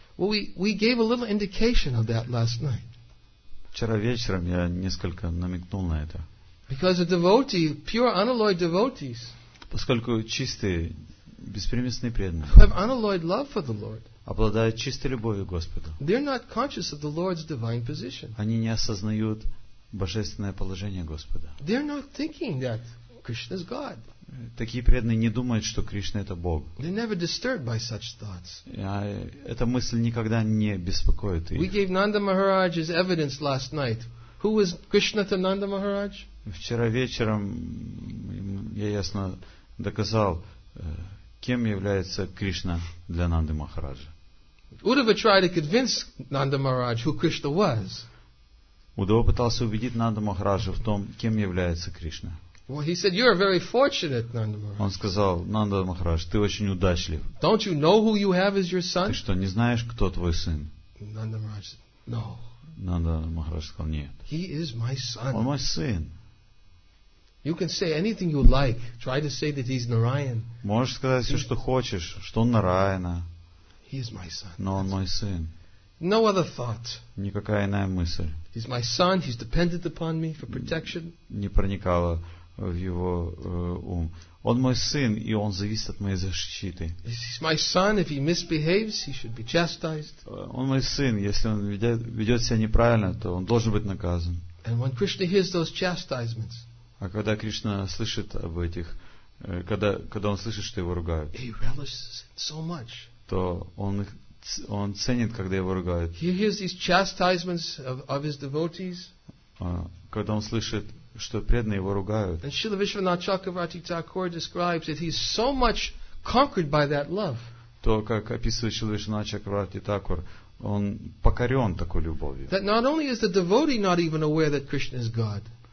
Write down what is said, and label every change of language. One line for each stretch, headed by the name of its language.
English: Well, we gave a little indication of that last night.
Russian: Вчера вечером я несколько намекнул на это.
English: Because a devotee, pure unalloyed devotees.
Russian: Поскольку чистые, беспримесные преданные.
English: Who have unalloyed love for the Lord.
Russian: Обладают чистой любовью к Господу.
English: They're not conscious of the Lord's divine position.
Russian: Они не осознают божественное положение Господа.
English: They're not thinking that Krishna is God.
Russian: Такие преданные не думают, что Кришна это Бог.
English: They're never disturbed by such thoughts.
Russian: Эта мысль никогда не беспокоит их.
English: We gave Nanda Maharaj as evidence last night. Who was Krishna to Nanda Maharaj?
Russian: Вчера вечером я ясно доказал, кем является Кришна для Нанды Махараджа.
English: Uddhava tried to convince Nanda Maharaj who Krishna was.
Russian: Удова пытался убедить Нанда Махараджа в том, кем является Кришна.
English: Well, he said, "You are very fortunate, Nanda Maharaj."
Russian: Он сказал, Нанда Махарадж, ты очень удачлив.
English: Don't you know who you have as your son?
Russian: Ты что, не знаешь, кто твой сын?
English: Nanda Maharaj said, "No."
Russian: Нанда Махарадж сказал, нет.
English: He is my son.
Russian: Он мой сын.
English: You can say anything you like. Try to say that he's Narayan.
Russian: Можешь сказать все, что хочешь, что он Нараяна.
English: He is my son.
Russian: Но он мой сын.
English: No other thought.
Russian: Никакая иная мысль.
English: He's my son. He's dependent upon me for protection.
Russian: Не проникало в его ум. Он мой сын, и он зависит от моей защиты.
English: He's my son. If he misbehaves, he should be chastised.
Russian: Он мой сын. Если он ведет себя неправильно, то он должен быть наказан.
English: And when Krishna hears those chastisements.
Russian: А когда Кришна слышит об этих, когда он слышит, что его ругают,
English: he relishes it so much.
Russian: То он ценит, когда его ругают.
English: He hears these chastisements of his devotees.
Russian: Когда он слышит, что преданные его ругают.
English: And Śrīla Viśvanātha Cakravarti Thakura describes that he's so much conquered by that love.
Russian: То, как описывает Śrīla Viśvanātha Cakravarti Thakura, он покорен такой любовью.
English: That not only is the devotee not even aware that Krishna is God.